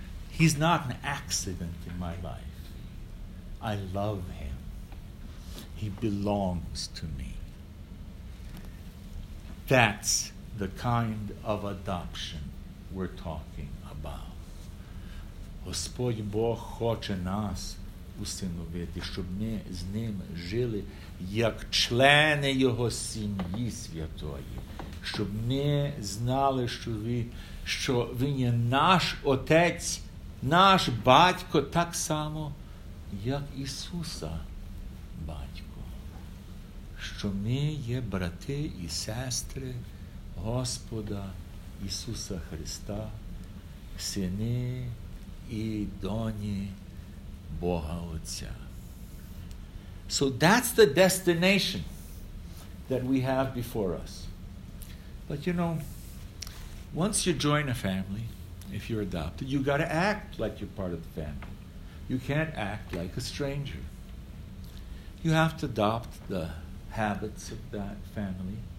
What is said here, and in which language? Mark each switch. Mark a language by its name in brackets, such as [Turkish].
[English] He's not an accident in my life. I love him. He belongs to me." That's the kind of adoption we're talking about. [Ukrainian] Господь Бог хоче нас усиновити, щоб ми з ним жили як члени його сім'ї святої, щоб ми знали, що він є наш отець, наш батько, так само, як Ісуса батько, що ми є брати і сестри Господа Ісуса Христа, сини і доні Бога Отця. [English] So that's the destination that we have before us. But you know, once you join a family, if you're adopted, you got to act like you're part of the family. You can't act like a stranger. You have to adopt the habits of that family.